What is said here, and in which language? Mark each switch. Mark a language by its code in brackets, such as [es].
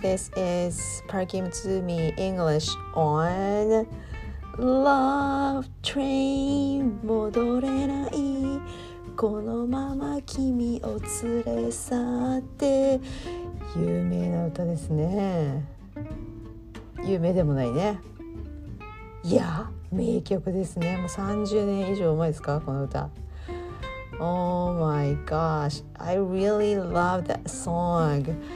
[en] This is Parkim Zumi English on Love Train. [ja] 戻れないこのまま君を連れ去って有名な歌ですね。有名でもないね。いや、名曲ですね。もう30年以上前ですか、この歌。 [en] Oh my gosh, I really love that song.